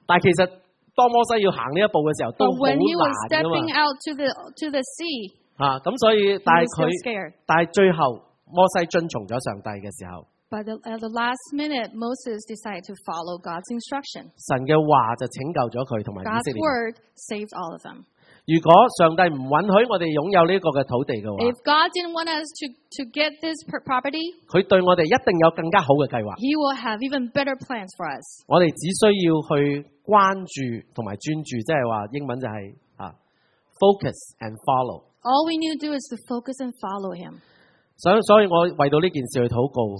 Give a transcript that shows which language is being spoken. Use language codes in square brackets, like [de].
[yue] 但其实当摩西要行呢一步嘅时候，都好难噶嘛。 [en] But when he was stepping out to the sea. [yue] 啊，咁所以，但系最后摩西遵从咗上帝嘅时候。 [en] But at the last minute, Moses decided to follow God's instruction. [yue] 神嘅话就拯救咗佢同埋以色列人。 [en] God's word saved all of them. [yue] 如果上帝唔允许我哋拥有呢个嘅土地嘅话 [en] ，If God didn't want us to get this property, [yue] 佢对我哋一定有更加好嘅计划。 [en] He will have even better plans for us. [yue] 我哋只需要去关注同埋专注，即系话英文就系、是、 [en] focus and follow. All we need to do is to focus and follow Him. [yue] 所以我为到呢件事去祷告。